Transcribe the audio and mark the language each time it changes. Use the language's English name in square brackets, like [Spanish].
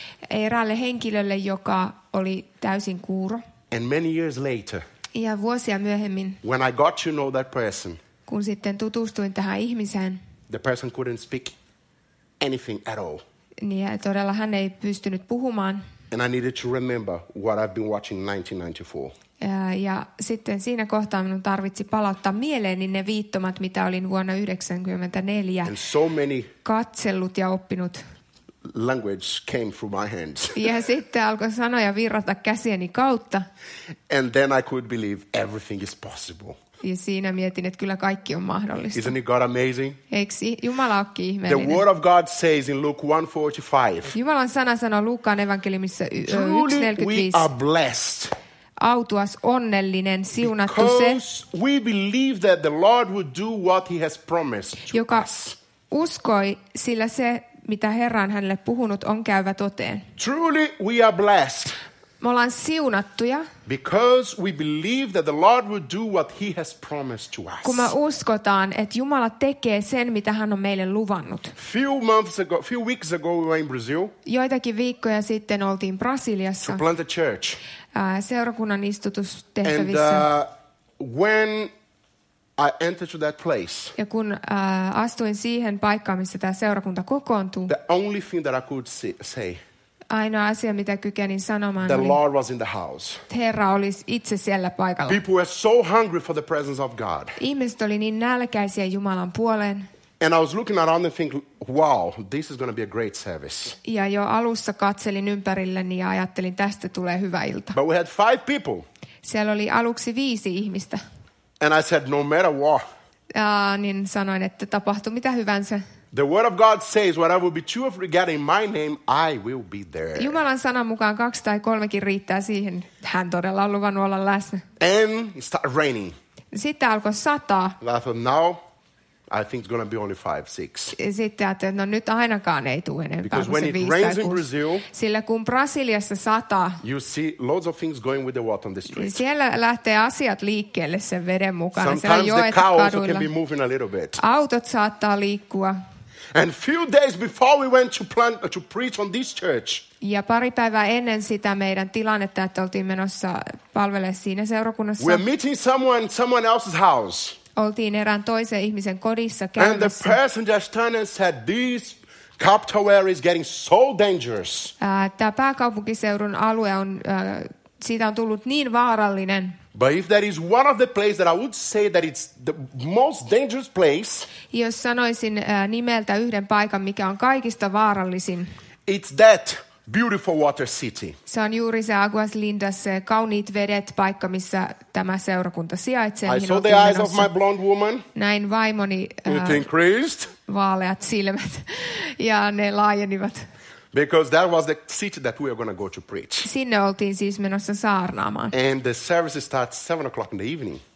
[Finnish] Eräälle henkilölle, joka oli täysin kuuro. [English] And many years later. [Finnish] Ja vuosia myöhemmin, [English] when I got to know that person, [Finnish] kun sitten tutustuin tähän ihmiseen, [English] the person couldn't speak anything at all. [Finnish] Niin todella hän ei pystynyt puhumaan. [English] And I needed to remember what I've been watching 1994. [Finnish] Ja sitten siinä kohtaa minun tarvitsi palauttaa mieleeni ne viittomat, mitä olin vuonna 1994 [English] and so many [Finnish] katsellut ja oppinut. [English] Language came through my hands. [Finnish] Ja sitten alkoi sanoja virrata käsieni kautta. [English] And then I could believe everything is possible. [Finnish] Ja siinä mietin, että kyllä kaikki on mahdollista. [English] Isn't God amazing? [Finnish] Eikö Jumala olekin ihmeellinen? [English] The word of God says in Luke 1:45. [Finnish] Jumalan sana sanoo Luukkaan evankeliumissa 1:45. [English] Truly we are blessed. [Finnish] autuas onnellinen, siunattu se, [English] we believe that the Lord would do what he has promised to [Finnish] joka [English] us. [Finnish] Uskoi, sillä se, mitä Herra on hänelle puhunut, on käyvä toteen. [English] Truly we are blessed. [Finnish] Me ollaan siunattuja. [English] Because we believe that the Lord will do what he has promised to us. [Finnish] Kun me uskotaan, että Jumala tekee sen, mitä hän on meille luvannut. [English] Few weeks ago we were in Brazil. [Finnish] Joitakin viikkoja sitten oltiin Brasiliassa. [English] To plant a church. [Finnish] Seurakunnan istutustehtävissä. [English] And when I entered to that place. [Finnish] Ja kun astuin siihen paikkaan, missä tämä seurakunta kokoontuu. [English] The only thing that I could say. [Finnish] Ainoa asia, mitä kykenin sanomaan, [English] the [Finnish] oli, [English] Lord was in the house. [Finnish] Herra olisi itse siellä paikalla. [English] People were so hungry for the presence of God. [Finnish] Ihmiset oli niin nälkäisiä Jumalan puoleen. [English] And I was looking around and think, wow, this is going to be a great service. [Finnish] Ja jo alussa katselin ympärilleni ja ajattelin, tästä tulee hyvä ilta. [English] But we had 5 people. [Finnish] Siellä oli aluksi 5 ihmistä. [English] And I said, no matter what. [Finnish] Niin sanoin, että tapahtui mitä hyvänsä. [English] The word of God says, whatever will be true of regarding my name, I will be there. [Finnish] Jumalan sanan mukaan 2 tai 3 riittää siihen. Hän todella on luvannut olla läsnä. [English] And it started raining. [Finnish] Sitten alkoi sataa. [English] And I thought, now, I think it's going to be only 5, 6. [Finnish] Sitten ajattelin, no nyt ainakaan ei tule enempää. [English] Because when it rains in Brazil, [Finnish] sillä kun Brasiliassa sataa, [English] you see loads of things going with the water on the street. [Finnish] Siellä lähtee asiat liikkeelle sen veden mukana. [English] Sometimes [Finnish] joet [English] the car [Finnish] kaduilla. [English] Also can be moving a little bit. [Finnish] Autot saattaa liikkua. [English] And few days before we went to plant to preach on this church. [Finnish] Ja pari päivää ennen sitä meidän tilannetta, että oltiin menossa palvelemaan siinä seurakunnassa. [English] We're meeting someone else's house. [Finnish] Oltiin erään toisen ihmisen kodissa käymässä. [English] And the person just turned and said, "This capital is getting so dangerous." [Finnish] Tämä pääkaupunkiseudun alue on siitä on tullut niin vaarallinen. [English] But if there is one of the places that I would say that it's the most dangerous place, [Finnish] jos sanoisin nimeltä yhden paikan, mikä on kaikista vaarallisin, [English] it's that beautiful water city. [Finnish] Se on juuri se Águas Lindas, se kauniit vedet paikka, missä tämä seurakunta sijaitsee. [English] I saw the eyes of my blonde woman. [Finnish] Näin vaimoni vaaleat silmät ja ne laajenivat. [English] Because that was the city that we are going to go to preach. [Finnish] Sinne oltiin siis menossa saarnaamaan. [English] And the service starts 7 o'clock in the evening.